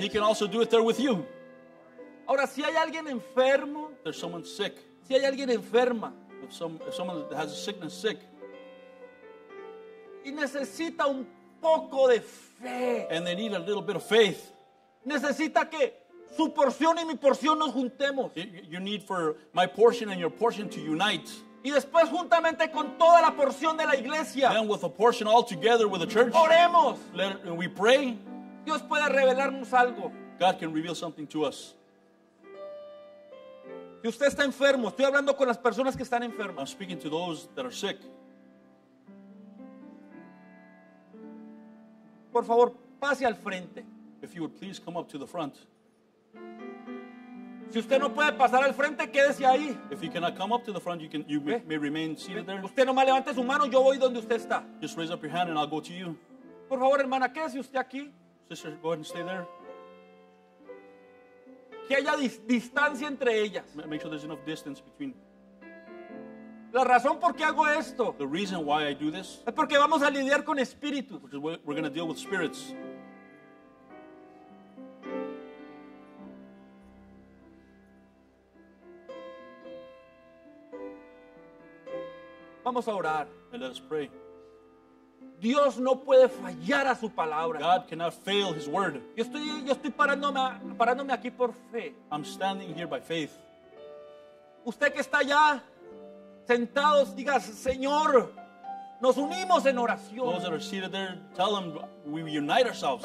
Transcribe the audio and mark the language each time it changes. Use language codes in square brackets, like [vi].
[en] He can also do it there with you. [es] Ahora, si hay alguien enfermo, [en] there's someone sick. [es] Si hay alguien enferma, [en] if someone has a sickness sick, [es] y necesita un poco de fe, [en] and they need a little bit of faith, [es] necesita que su porción y mi porción nos juntemos. [en] You need for my portion and your portion to unite. [es] Y después juntamente con toda la porción de la iglesia. [en] Then with a portion all together with the church. [es] Oremos. [en] We pray. [es] Dios puede revelarnos algo. [en] God can reveal something to us. [es] Si usted está enfermo, estoy hablando con las personas que están enfermas. [en] I'm speaking to those that are sick. [es] Por favor, pase al frente. [en] If you would please come up to the front. [es] Si usted no puede pasar al frente, quédese ahí. [en] If you cannot come up to the front, you may remain seated there. [es] Usted nomás levante su mano, yo voy donde usted está. [en] Just raise up your hand and I'll go to you. [es] Por favor, hermana, quédese usted aquí. [en] Sister, go ahead and stay there. [es] Que haya distancia entre ellas. [en] Make sure there's enough distance between. [es] La razón por qué hago esto. [en] The reason why I do this. [es] Es porque vamos a lidiar con espíritus. [en] Because we're going to deal with spirits. [es] Vamos a orar. [en] And let us pray. [es] Dios no puede fallar a su palabra. [en] God cannot fail his word. [es] Yo estoy parándome aquí por fe. [en] I'm standing here by faith. [es] Usted que está allá sentados, diga, Señor, nos unimos en oración. [en] Those that are seated there, tell them we unite ourselves.